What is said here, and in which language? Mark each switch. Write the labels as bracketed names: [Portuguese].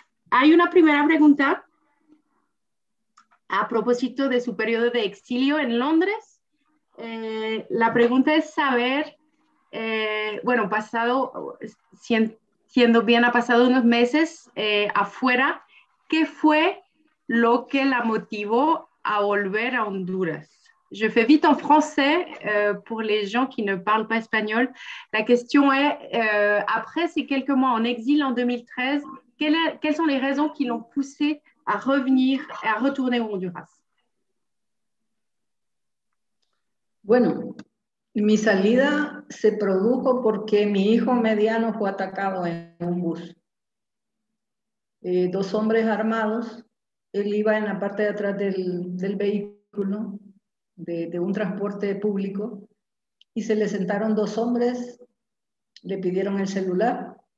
[Spanish] Hay una primera pregunta a propósito de su periodo de exilio en Londres. La pregunta es saber, ha pasado unos meses afuera, ¿qué fue lo que la motivó a volver a Honduras? [French] Je fais vite en français pour les gens qui ne parlent pas espagnol. La question est, après ces quelques mois en exil en 2013, quelles sont les raisons qui l'ont poussé à revenir et à retourner au Honduras? [Spanish] Bueno, mi salida se produjo porque mi hijo mediano fue atacado en un bus. Dos hombres armados, él iba en la parte de atrás del vehículo, de un transporte público, y se le sentaron dos hombres, le pidieron el celular.